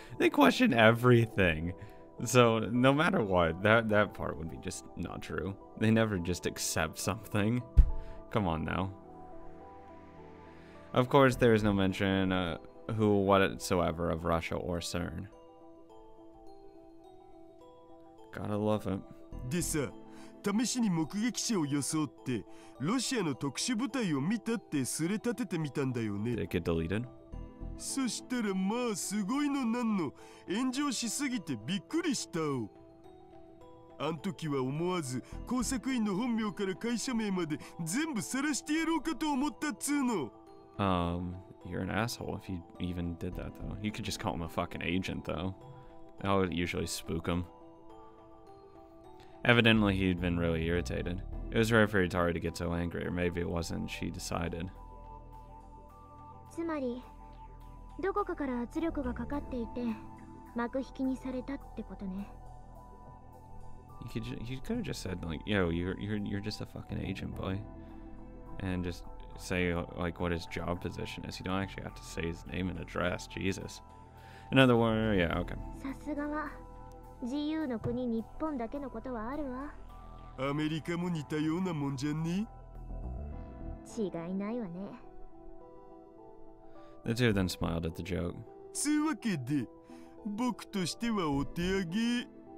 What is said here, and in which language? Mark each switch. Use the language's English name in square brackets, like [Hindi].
[English] They question everything. So, no matter what, that part would be just not true. They never just accept something. Come on now. Of course, there is no mention, who whatsoever of Russia or CERN. Gotta love him. [Japanese] でさ、試しに目撃者を装ってロシアの特殊部隊を見たってすれ立ててみたんだよね。 [English] Did it get deleted? [Japanese] そしたらまあすごいのなんの、炎上しすぎてびっくりしたお。あん時は思わず工作員の本名から会社名まで全部晒してやろうかと思ったっつうの。 [English] You're an asshole if you even did that, though. You could just call him a fucking agent, though. That would usually spook him. Evidently, he'd been really irritated. It was rare for Itari to get so angry, or maybe it wasn't, she decided. [Japanese] つまり、どこかから圧力がかかっていて、幕引きにされたってことね。 [English] You could have just said, like, yo, you're just a fucking agent, boy. And just... say like what his job position is. You don't actually have to say his name and address. Jesus. In other words, yeah, okay. [Japanese] さすがは自由の国日本だけのことはあるわ。アメリカも似たようなもんじゃね。違いないわね。 [English] The two then smiled at the joke. [Japanese] つわけで、僕としてはお手上げ。